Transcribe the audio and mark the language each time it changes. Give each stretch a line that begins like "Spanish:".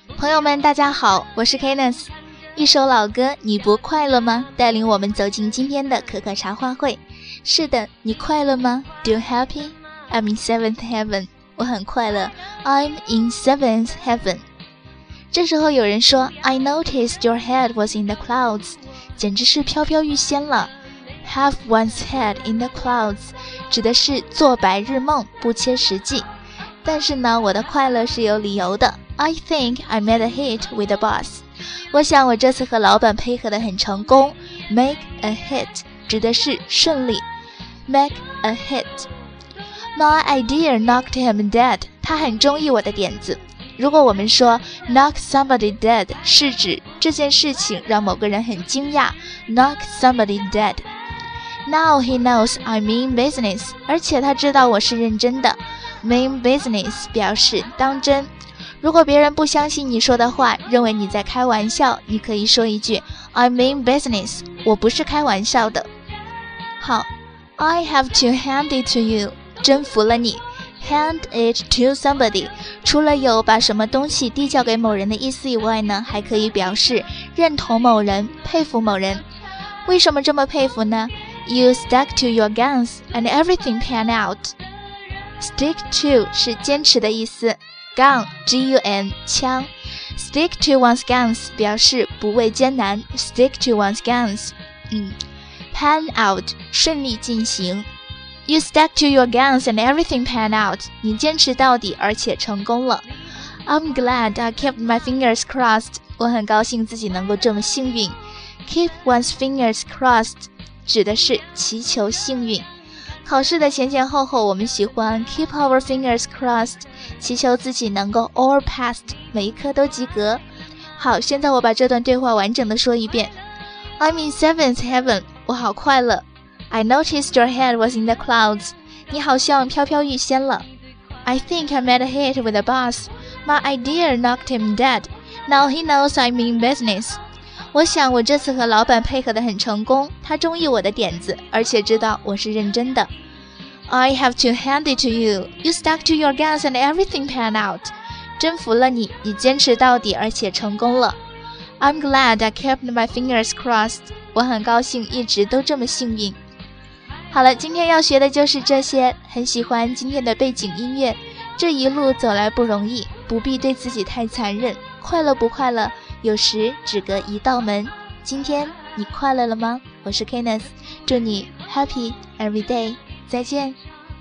Chinese: 友们大家好，我是 Kenneth。一首老歌你不快乐吗，带领我们走进今天的可可茶话会。是的，你快乐吗？
English: Do you happy? I'm in seventh heaven.
Chinese: 我很快乐，
English: I'm in seventh heaven.
Chinese: 这时候有人说，
English: I noticed your head was in the clouds，
Chinese: 简直是飘飘欲仙了。
English: Have one's head in the clouds
Chinese: 指的是做白日梦，不切实际。但是呢，我的快乐是有理由的。
English: I think I made a hit with the boss.
Chinese: 我想我这次和老板配合得很成功。
English: Make a hit
Chinese: 指的是顺利。 Make a hit.
English: My idea knocked him dead.
Chinese: 他很中意我的点子。如果我们说
English: knock somebody dead
Chinese: 是指这件事情让某个人很惊讶， knock somebody dead.
English: Now he knows I mean business.
Chinese: 而且他知道我是认真的。
English: Mean business
Chinese: 表示当真。如果别人不相信你说的话，认为你在开玩笑，你可以说一句
English: I mean business，
Chinese: 我不是开玩笑的。好，
English: I have to hand it to you，
Chinese: 真服了你。
English: Hand it to somebody
Chinese: 除了有把什么东西递交给某人的意思以外呢，还可以表示认同某人，佩服某人。为什么这么佩服呢？
English: You stuck to your guns and everything pan out. Stick to
Chinese: 是坚持的意思，
English: Gun, G-U-N, 枪。 Stick to one's guns
Chinese: 表示不畏艰难。
English: Stick to one's guns、Pan out
Chinese: 顺利进行。
English: You stuck to your guns and everything pan out，
Chinese: 你坚持到底而且成功了。
English: I'm glad I kept my fingers crossed，
Chinese: 我很高兴自己能够这么幸运。
English: Keep one's fingers crossed
Chinese: 指的是祈求幸运。考试的前前后后，我们喜欢
English: keep our fingers crossed，
Chinese: 祈求自己能够
English: all passed，
Chinese: 每一科都及格。好，现在我把这段对话完整的说一遍。
English: I'm in seventh heaven，
Chinese: 我好快乐。
English: I noticed your head was in the clouds，
Chinese: 你好像飘飘欲仙了。
English: I think I made a hit with the boss， my idea knocked him dead， now he knows I mean business。
Chinese: 我想我这次和老板配合得很成功，他中意我的点子，而且知道我是认真的。
English: I have to hand it to you. You stuck to your guns and everything pan out.
Chinese: 征服了你，你坚持到底而且成功了。
English: I'm glad I kept my fingers crossed.
Chinese: 我很高兴一直都这么幸运。好了，今天要学的就是这些。很喜欢今天的背景音乐，这一路走来不容易，不必对自己太残忍。快乐不快乐，有时只隔一道门。今天你快乐了吗？我是 Kenneth， 祝你
English: happy every day，
Chinese: 再见。